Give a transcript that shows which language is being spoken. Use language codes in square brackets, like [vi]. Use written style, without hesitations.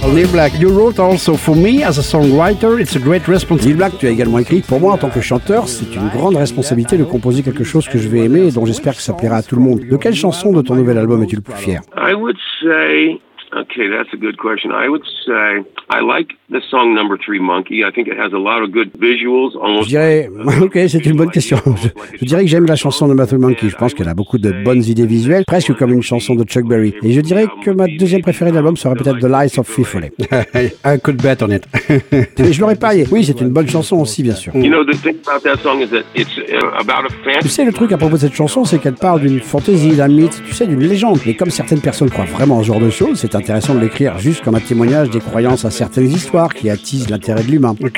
[en] Black, you wrote also for me as a songwriter, it's a great responsibility. [fr] Black, tu as également écrit pour moi en tant que chanteur, c'est une grande responsabilité de composer quelque chose que je vais aimer et dont j'espère que ça plaira à tout le monde. De quelle chanson de ton nouvel album es-tu le plus fier? [en] I would say, okay, that's a good question. I would say, I like the song number 3 Monkey. I think it has a lot of good visuals. [fr] Je dirais, ok, c'est une bonne question. Je dirais que j'aime la chanson number 3 Monkey. Je pense qu'elle a beaucoup de bonnes idées visuelles, presque comme une chanson de Chuck Berry. Et je dirais que ma deuxième préférée de l'album sera peut-être The Lies of Fifth Foley. [en] I could bet on it. [fr] Mais je l'aurais parié. Oui, c'est une bonne chanson aussi, bien sûr. [en] You know, the thing about that song is that it's about a fantasy. [fr] Tu sais, le truc à propos de cette chanson, c'est qu'elle parle d'une fantaisie, d'un mythe, tu sais, d'une légende. Mais comme certaines personnes croient vraiment en ce genre de choses, c'est intéressant de l'écrire juste comme un témoignage des croyances à certaines histoires qui attisent l'intérêt de l'humain.